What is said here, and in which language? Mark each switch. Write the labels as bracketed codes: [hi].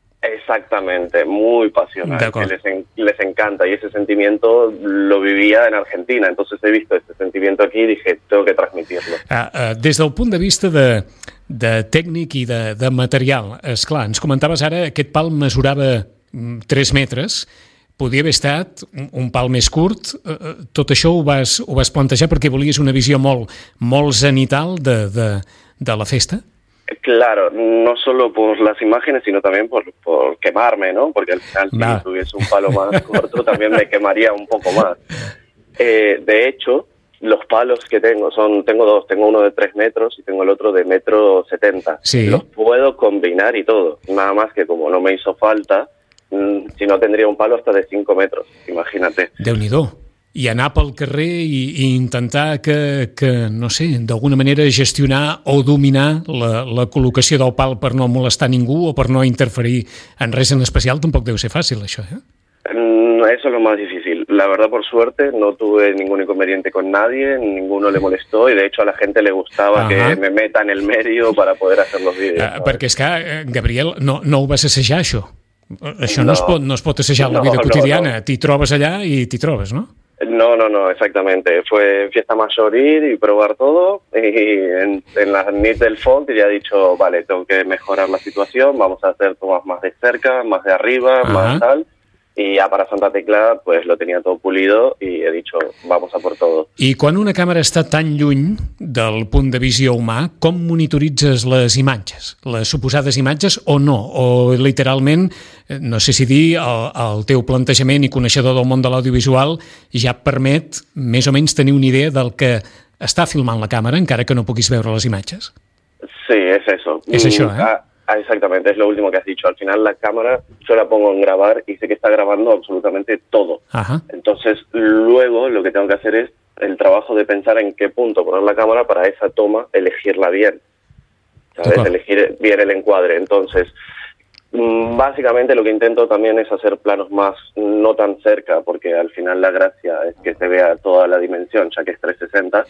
[es] Exactamente, muy pasional, que les encanta, y ese sentimiento lo vivía en Argentina, entonces he visto este sentimiento aquí y dije, tengo que transmitirlo. [ca] Des del punt de vista de tècnic i de material, esclar, ens comentaves ara, aquest pal mesurava 3 metres, podia haver estat un pal més curt, tot això ho vas plantejar perquè volies una visió molt, molt zenital de la festa? [es] Claro, no solo por las imágenes, sino también por quemarme, ¿no? Porque al final, si tuviese un palo más corto, también me quemaría un poco más. De hecho, los palos que tengo son... Tengo dos, tengo uno de 3 metros y tengo el otro de 1,70 m. Sí. Los puedo combinar y todo. Nada más que como no me hizo falta, si no tendría un palo hasta de 5 metros, imagínate. [ca] Déu-n'hi-do. I anar pel carrer i intentar que, no sé, d'alguna manera gestionar o dominar la col·locació del pal per no molestar ningú o per no interferir en res en especial, tampoc deu ser fàcil, això, eh? [es] Eso es lo más difícil. La verdad, por suerte, no tuve ningún inconveniente con nadie, ninguno le molestó, y de hecho a la gente le gustaba que me meta en el medio para poder hacer los vídeos. [ca] Perquè, és que, Gabriel, no ho vas assajar, això? Això no es pot assajar la vida quotidiana. No. T'hi trobes allà i t'hi trobes, no? [es] No, exactamente. Fue fiesta mayor ir y probar todo y en la NIT del FONT ya he dicho, vale, tengo que mejorar la situación, vamos a hacer tomas más de cerca, más de arriba, más tal. Y ya para Santa Tecla pues lo tenía todo pulido y he dicho, vamos a por todo. [ca] I quan una càmera està tan lluny del punt de visió humà, com monitoritzes les imatges? Les suposades imatges o no? O literalment, no sé si dir, el teu plantejament i coneixedor del món de l'audiovisual ja permet més o menys tenir una idea del que està filmant la càmera, encara que no puguis veure les imatges? Sí, és això. És això, eh? [es] Exactamente, es lo último que has dicho. Al final la cámara yo la pongo en grabar y sé que está grabando absolutamente todo. Ajá. Entonces luego lo que tengo que hacer es el trabajo de pensar en qué punto poner la cámara para esa toma, elegirla bien, ¿sabes? Elegir bien el encuadre. Entonces básicamente lo que intento también es hacer planos más no tan cerca, porque al final la gracia es que se vea toda la dimensión, ya que es 360.